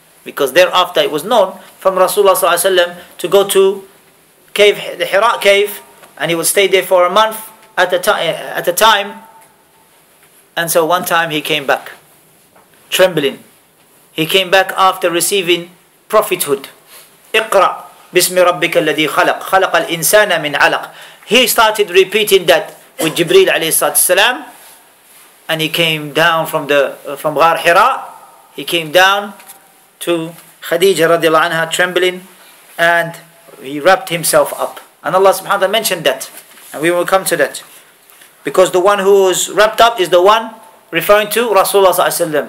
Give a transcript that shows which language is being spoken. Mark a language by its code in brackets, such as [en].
[en] Because thereafter it was known from Rasulullah ﷺ to go to cave, the Hira cave, and he would stay there for a month at a time. And so one time he came back, trembling. He came back after receiving prophethood. [ar] اقرأ بسم ربك الذي خلق خلق الإنسان من علق. [en] He started repeating that with Jibreel ﷺ. And he came down from Ghar Hira. He came down to Khadija radiallahu anha, trembling, and he wrapped himself up. And Allah subhanahu wa ta'ala mentioned that. And we will come to that. Because the one who is wrapped up is the one referring to Rasulullah sallallahu alayhi wa sallam.